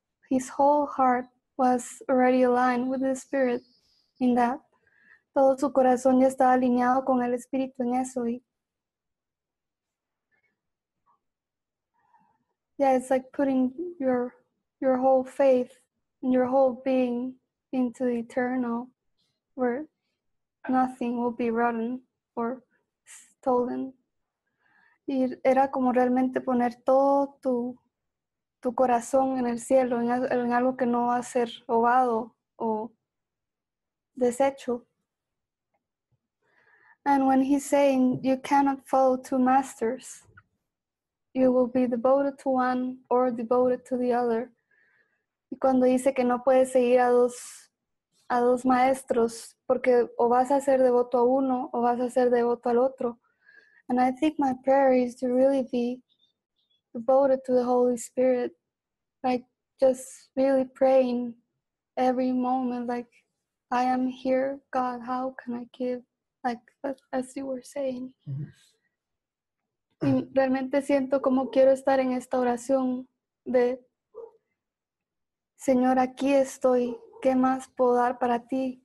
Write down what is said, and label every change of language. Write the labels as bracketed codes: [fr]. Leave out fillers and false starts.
[en] His whole heart was already aligned with the Spirit in that. [es] Todo su corazón ya estaba alineado con el Espíritu en eso. [en] Yeah, it's like putting your whole faith and your whole being into the eternal, where nothing will be rotten or stolen. [es] Y era como realmente poner todo tu corazón en el cielo, en algo que no va a ser robado o deshecho. [en] And when he's saying you cannot follow two masters, you will be devoted to one or devoted to the other. [es] Y cuando dice que no puedes seguir a dos maestros, porque o vas a ser devoto a uno o vas a ser devoto al otro. [en] And I think my prayer is to really be devoted to the Holy Spirit, like just really praying every moment, like, I am here, God, how can I give? Like, as you were saying. Mm-hmm. [es] Realmente siento como quiero estar en esta oración de, Señor, aquí estoy, ¿qué más puedo dar para ti?